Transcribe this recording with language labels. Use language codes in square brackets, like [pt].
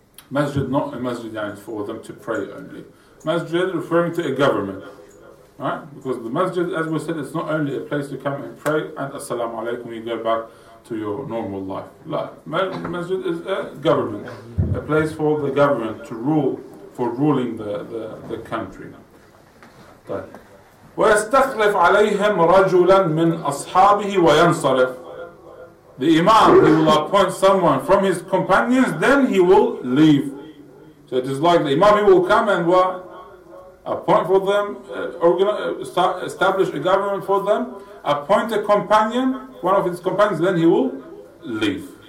[en] Masjid, not a masjid for them to pray only. Masjid referring to a government. Right? Because the masjid, as we said, it's not only a place to come and pray and assalamu alaikum, you go back to your normal life. Masjid is a government, a place for the government to rule, for ruling the country. [ar] ويستخلف عليهم رجلا من أصحابه وينصرف. [en] The Imam, he will appoint someone from his companions, then he will leave. So it is like the Imam, he will come and what? Appoint for them, establish a government for them, appoint a companion, one of his companions, then he will leave.